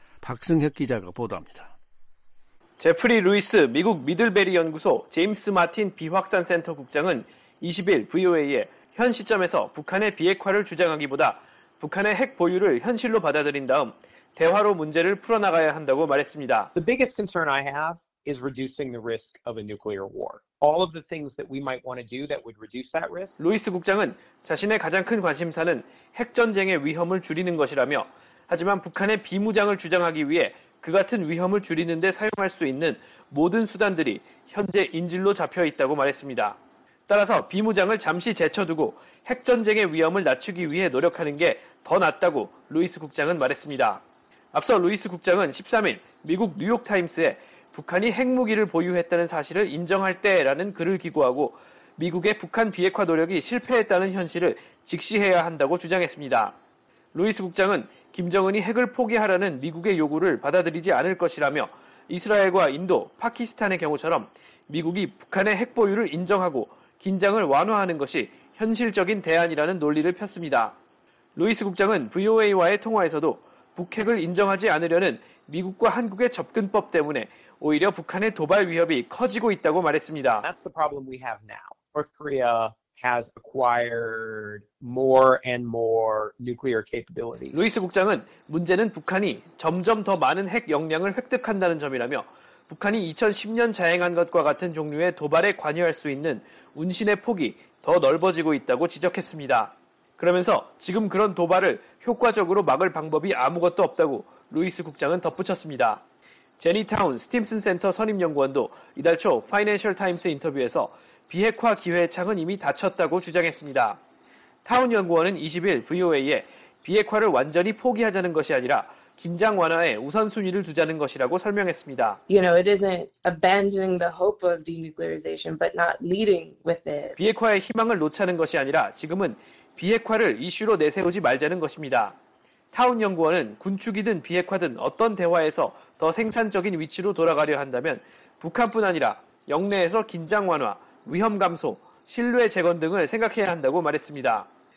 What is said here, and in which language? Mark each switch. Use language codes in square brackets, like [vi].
[ko] 박승혁 기자가 보도합니다. 제프리 루이스 미국 미들베리 연구소 제임스 마틴 비확산 센터 국장은 20일 VOA에 현 시점에서 북한의 비핵화를 주장하기보다 북한의 핵 보유를 현실로 받아들인 다음 대화로 문제를 풀어나가야 한다고 말했습니다. [en] The biggest concern I have is reducing the risk of a nuclear war. All of the things that we might want to do that would reduce that risk. [ko] 루이스 국장은 자신의 가장 큰 관심사는 핵 전쟁의 위험을 줄이는 것이라며, 하지만 북한의 비무장을 주장하기 위해 그 같은 위험을 줄이는 데 사용할 수 있는 모든 수단들이 현재 인질로 잡혀 있다고 말했습니다. 따라서 비무장을 잠시 제쳐두고 핵 전쟁의 위험을 낮추기 위해 노력하는 게 더 낫다고 루이스 국장은 말했습니다. 앞서 루이스 국장은 13일 미국 뉴욕타임스에 북한이 핵무기를 보유했다는 사실을 인정할 때라는 글을 기고하고 미국의 북한 비핵화 노력이 실패했다는 현실을 직시해야 한다고 주장했습니다. 루이스 국장은 김정은이 핵을 포기하라는 미국의 요구를 받아들이지 않을 것이라며 이스라엘과 인도, 파키스탄의 경우처럼 미국이 북한의 핵 보유를 인정하고 긴장을 완화하는 것이 현실적인 대안이라는 논리를 폈습니다. 루이스 국장은 VOA와의 통화에서도 북핵을 인정하지 않으려는 미국과 한국의 접근법 때문에 오히려 북한의 도발 위협이 커지고 있다고 말했습니다. [en] That's the problem we have now. North Korea has acquired more and more nuclear capability. [ko] 루이스 국장은 문제는 북한이 점점 더 많은 핵 역량을 획득한다는 점이라며 북한이 2010년 자행한 것과 같은 종류의 도발에 관여할 수 있는 운신의 폭이 더 넓어지고 있다고 지적했습니다. 그러면서 지금 그런 도발을 효과적으로 막을 방법이 아무것도 없다고 루이스 국장은 덧붙였습니다. 제니타운 스팀슨 센터 선임연구원도 이달 초 파이낸셜 타임스 인터뷰에서 비핵화 기회의 창은 이미 닫혔다고 주장했습니다. 타운 연구원은 20일 VOA에 비핵화를 완전히 포기하자는 것이 아니라 긴장 완화에 우선순위를 두자는 것이라고 설명했습니다. [en] You know, it isn't abandoning the hope of denuclearization, but not leading with it. [ko] 비핵화의 희망을 놓자는 것이 아니라 지금은 비핵화를 이슈로 내세우지 말자는 것입니다. 타운 연구원은 군축이든 비핵화든 어떤 대화에서 더 생산적인 위치로 돌아가려 한다면 북한뿐 아니라 영내에서 긴장 완화, 위험 감소, 신뢰 재건 등을 생각해야 한다고 말했습니다.